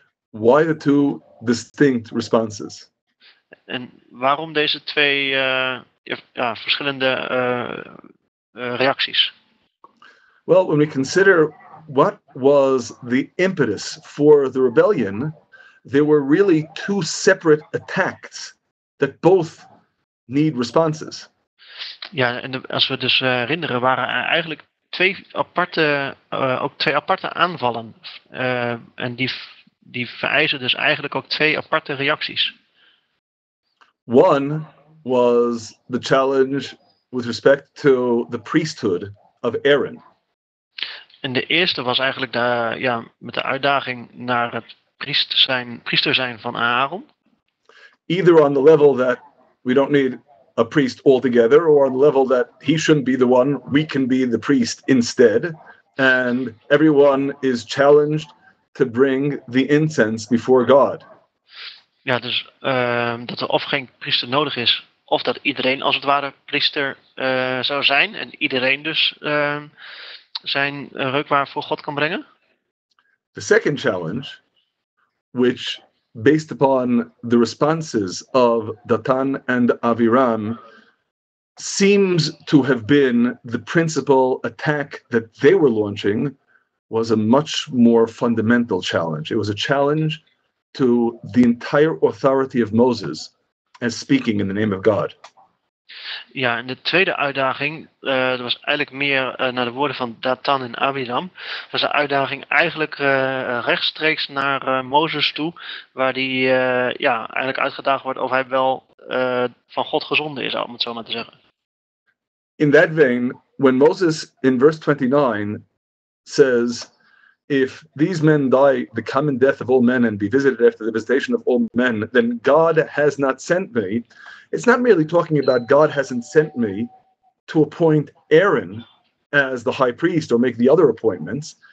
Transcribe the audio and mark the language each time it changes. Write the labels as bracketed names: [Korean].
[English] Why the two distinct responses? [Dutch] En waarom deze twee verschillende reacties? [English] Well, when we consider what was the impetus for the rebellion, there were really two separate attacks that both need responses. [Dutch] Ja, en als we dus herinneren, waren er eigenlijk twee aparte aanvallen. En die vereisen dus eigenlijk ook twee aparte reacties. [English] One was the challenge with respect to the priesthood of Aaron. [Dutch] En de eerste was eigenlijk met de uitdaging naar het priester zijn van Aaron. [English] Either on the level that we don't need a priest altogether, or on the level that he shouldn't be the one, we can be the priest instead. And everyone is challenged to bring the incense before God. [Dutch] Ja, dus dat er of geen priester nodig is, of dat iedereen als het ware priester zou zijn, en iedereen dus zijn reukwaar voor God kan brengen. [English] The second challenge, which based upon the responses of Datan and Aviram, seems to have been the principal attack that they were launching, was a much more fundamental challenge. It was a challenge to the entire authority of Moses as speaking in the name of God. [Dutch] Ja, en de tweede uitdaging, dat was eigenlijk meer naar de woorden van Datan en Abiram, was de uitdaging eigenlijk rechtstreeks naar Mozes toe, waar die eigenlijk uitgedaagd wordt of hij wel van God gezonden is, om het zo maar te zeggen. [English] In that vein, when Moses in verse 29 says, if these men die the common death of all men and be visited after the visitation of all men, then God has not sent me. It's not merely talking about God hasn't sent me to appoint Aaron as the high priest or make the other appointments.